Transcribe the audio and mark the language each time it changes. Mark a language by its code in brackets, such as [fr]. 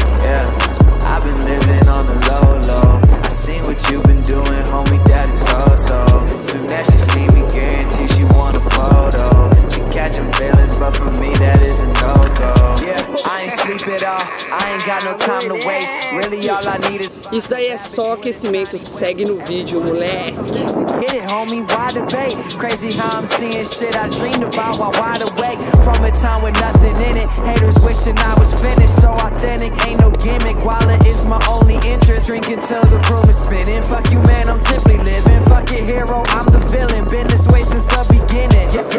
[en] Yeah, I've been living on the low, low. I seen what you've been doing, homie, that is so, so. Soon as she see me, guarantee she want a photo. She catching feelings, but for me that is a no-go. Yeah, I ain't sleep at all. I ain't got no time to waste. Really all I need is... [pt] Isso daí é só aquecimento, segue no vídeo, moleque. [en] Get it, homie, why debate? Crazy how I'm seeing shit I dreamed about while wide awake. From a time with nothing in it. Haters wishing I was finished. So authentic, ain't no gimmick. While it is my only interest. Drinking till the room is spinning. Fuck you, man, I'm simply living. Fuck your hero, I'm the villain. Been this way since the beginning.